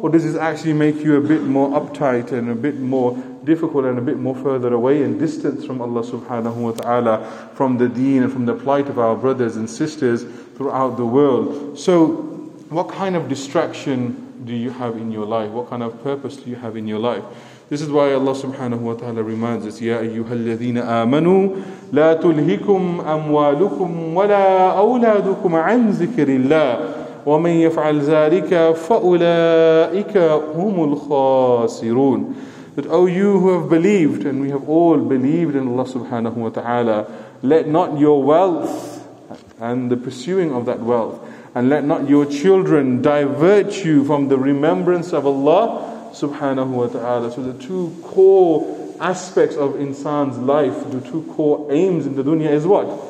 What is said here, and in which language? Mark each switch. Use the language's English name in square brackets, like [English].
[English] Or does this actually make you a bit more uptight and a bit more difficult and a bit more further away and distance from Allah subhanahu wa ta'ala, from the deen and from the plight of our brothers and sisters throughout the world? So what kind of distraction do you have in your life? What kind of purpose do you have in your life? This is why Allah subhanahu wa ta'ala reminds us, [Arabic] يَا أَيُّهَا الَّذِينَ آمَنُوا لَا تُلْهِكُمْ أَمْوَالُكُمْ وَلَا أَوْلَادُكُمْ عَنْ ذِكْرِ اللَّهِ وَمَنْ يَفْعَلْ ذَلِكَ فَأُولَٰئِكَ هُمُ الْخَاسِرُونَ. [English] That, O you who have believed, and we have all believed in Allah subhanahu wa ta'ala, let not your wealth and the pursuing of that wealth, and let not your children divert you from the remembrance of Allah subhanahu wa ta'ala. So the two core aspects of insan's life, the two core aims in the dunya is what?